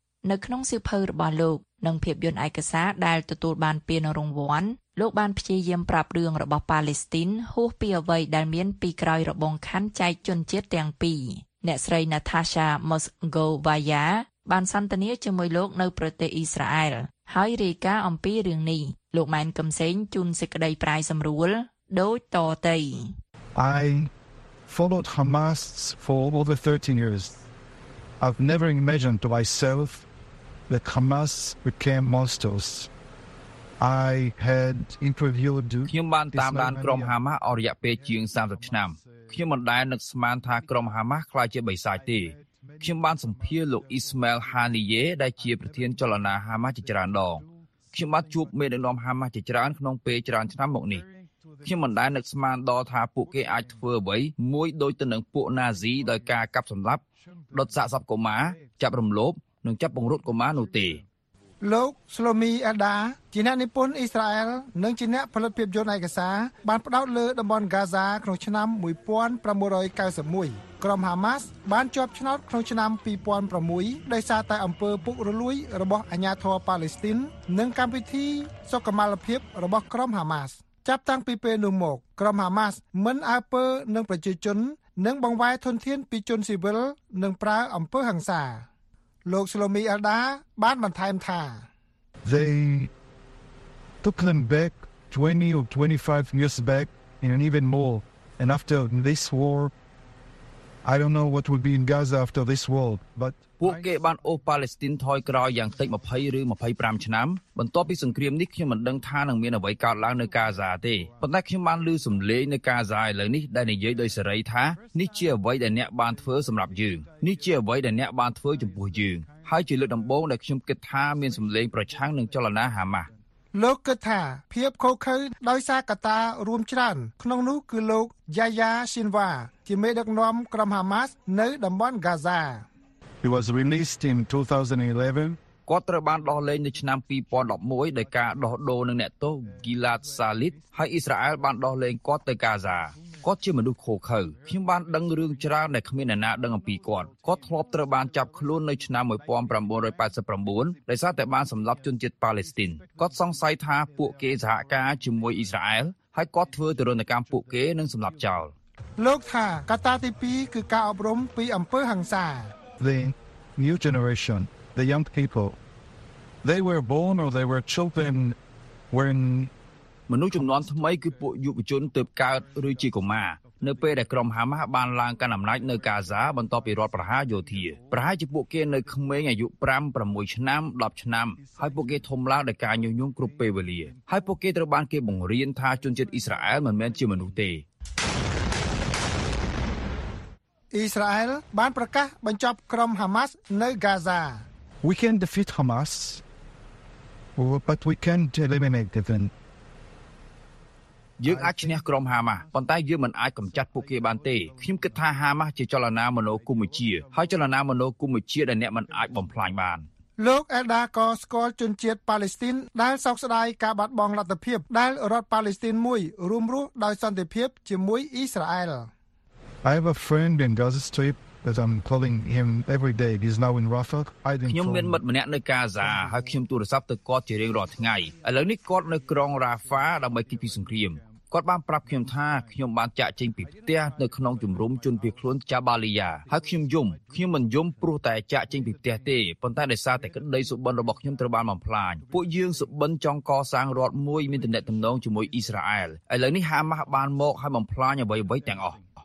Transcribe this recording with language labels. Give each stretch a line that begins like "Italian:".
Khmer: នៅក្នុងសៀវភៅរបស់លោកនិងភាពយន្តឯកសារដែលទទួលបានពានរង្វាន់លោកបានព្យាយាមប្រាប់រឿងរបស់ប៉ាឡេស្ទីនហួសពីអ្វីដែលមានពីក្រោយរបងខណ្ឌចែកជនជាតិទាំងពីរអ្នកស្រី Natasha Mosgovaya បានសន្ទនាជាមួយលោកនៅប្រទេសអ៊ីស្រាអែលហើយរាយការណ៍អំពីរឿងនេះលោកម៉ែនកំសែងជួនសេចក្តីប្រាយសម្រួលដូចតទៅ
English: I followed Hamas for over 13 years. I've never imagined to myself that Hamas became monsters. I had interviewed
Khmer: ខ្ញុំបានតាមដានក្រុមហាម៉ាស់អស់រយៈពេលជាង30ឆ្នាំខ្ញុំមិនដែលនឹកស្មានថាក្រុមហាម៉ាស់ក្លាយជាបិសាចទេខ្ញុំបានសម្ភាសន៍លោកអ៊ីស្ម៉ាអែលហានីយេដែលជាប្រធានចលនាហាម៉ាស់ជាច្រើនដងខ្ញុំបានជួបមេដឹកនាំហាម៉ាស់ជាច្រើនក្នុងពេលច្រើនឆ្នាំមកនេះខ្ញុំមិនដែលនឹកស្មានដល់ថាពួកគេអាចធ្វើអ្វីមួយដូចទៅនឹងពួកណាស៊ីដោយការកាប់សម្លាប់ដុតសាកសពកុមារចាប់រំលោភនិងចាប់បង្រួតកុមារនោះទេ លោក Shlomi Elda ជាអ្នកនិពន្ធអ៊ីស្រាអែលនិងជាអ្នកផលិតភាពយន្តឯកសារបានផ្ដោតលើតំបន់ Gaza ក្នុងឆ្នាំ1991ក្រុម Hamas បានជាប់ឆ្នោតក្នុងឆ្នាំ 2006ដោយសារតែអំពើពុករលួយរបស់អាជ្ញាធរប៉ាឡេស្ទីននិងកម្មវិធីសុខមាលភាពរបស់ក្រុម Hamas ចាប់តាំងពីពេលនោះមកក្រុម Hamas មិនអើពើនឹងប្រជាជននិងបង្វែរធនធានពីជនស៊ីវិលនិងប្រើអំពើហិង្សាលោក Shlomi Elda បានបន្ថែមថា
English: They took them back 20 or 25 years back and even more and after this war I don't know what will be in Gaza after this war but
Khmer: ពួកគេបានអូសប៉ាឡេស្ទីនថយក្រោយយ៉ាងតិច20ឬ25ឆ្នាំបន្ទាប់ពីសង្គ្រាមនេះខ្ញុំមិនដឹងថានឹងមានអ្វីកើតឡើងនៅកាហ្សាទេប៉ុន្តែខ្ញុំបានឮសំឡេងនៅកាហ្សាឥឡូវនេះដែលនិយាយដោយសេរីថានេះជាអ្វីដែលអ្នកបានធ្វើសម្រាប់យើងនេះជាអ្វីដែលអ្នកបានធ្វើចំពោះយើងហើយជាលើកដំបូងដែលខ្ញុំគិតថាមានសំឡេងប្រឆាំងនឹងចលនាហាម៉ាស់លោកគិតថាភាពខុសខើដោយសារកត្តារួមច្រើនក្នុងនោះគឺលោកយ៉ាយ៉ាស៊ីនវ៉ាជាមេដឹកនាំក្រុមហាម៉ាស់នៅតំបន់កាហ្សា
English: He was released in 2011.
Khmer: គាត់ត្រូវបានដោះលែងនៅឆ្នាំ2011ដោយការដោះដូរនឹងអ្នកទោស Gilad Shalit ហើយអ៊ីស្រាអែលបានដោះលែងគាត់ទៅកាហ្សាគាត់ជាមនុស្សខូខើខ្ញុំបានដឹងរឿងច្រើនដែលគ្មានអ្នកណាដឹងអំពីគាត់គាត់ធ្លាប់ត្រូវបានចាប់ខ្លួននៅឆ្នាំ1989ដោយសារតែបានសម្លាប់ជនជាតិប៉ាឡេស្ទីនគាត់សង្ស័យថាពួកគេសហការជាមួយអ៊ីស្រាអែលហើយគាត់ធ្វើទរណកម្មពួកគេនិងសម្លាប់ចោល លោកថាកត្តាទី2គឺការអប់រំពីអំពើហិង្សា
English: The new generation, the young people, they were born or they were children when
Khmer: មនុស្សចំនួនថ្មីគឺពួកយុវជនទើបកើតឬជាកុមារនៅពេលដែលក្រុមហាម៉ាស់បានឡើងកាន់អំណាចនៅកាហ្សាបន្ទាប់ពីរដ្ឋប្រហារយោធាប្រហែលជាពួកគេនៅក្មេងអាយុ5 6ឆ្នាំ10ឆ្នាំហើយពួកគេធំឡើងដោយការញុះញង់គ្រប់ពេលវេលាហើយពួកគេត្រូវបានគេបង្រៀនថាជនជាតិអ៊ីស្រាអែលមិនមែនជាមនុស្សទេ អ៊ីស្រាអែលបានប្រកាសបញ្ចប់ក្រុមហាម៉ាស់នៅកាហ្សា
English: We can defeat Hamas but we can't eliminate them
Khmer: យើងអាចឈ្នះក្រុមហាម៉ាស់ប៉ុន្តែយើងមិនអាចកម្ចាត់ពួកគេបានទេខ្ញុំគិតថាហាម៉ាស់ជាចលនាមនោគមវិជ្ជាហើយចលនាមនោគមវិជ្ជាដែលអ្នកមិនអាចបំផ្លាញបាន លោកអេដាក៏ស្គាល់ជនជាតិប៉ាឡេស្ទីនដែលសោកស្ដាយការបាត់បង់លទ្ធភាពដែលរដ្ឋប៉ាឡេស្ទីនមួយរួមរស់ដោយសន្តិភាពជាមួយអ៊ីស្រាអែល
English: I have a friend in Gaza Strip that I'm calling him every day he's now in Rafah I think
Khmer: ខ្ញុំមានមិត្តម្នាក់នៅកាហ្សាហើយខ្ញុំទូរស័ព្ទទៅគាត់ជារៀងរាល់ថ្ងៃឥឡូវនេះគាត់នៅក្រុង Rafah ដើម្បីគេចពីសង្គ្រាមគាត់បានប្រាប់ខ្ញុំថាខ្ញុំបានចាក់ចេញពីផ្ទះនៅក្នុងជំរំជនភៀសខ្លួនចាបាលីយ៉ាហើយខ្ញុំយំខ្ញុំមិនយំព្រោះតែចាក់ចេញពីផ្ទះទេប៉ុន្តែដោយសារតែក្តីសុបិនរបស់ខ្ញុំត្រូវបានបំផ្លាញពួកយើងសុបិនចង់កសាងរដ្ឋមួយមានទំនាក់ទំនងជាមួយអ៊ីស្រាអែលឥឡូវនេះហាម៉ាស់បានមកហើយបំផ្លាញអ្វីៗទាំងអស់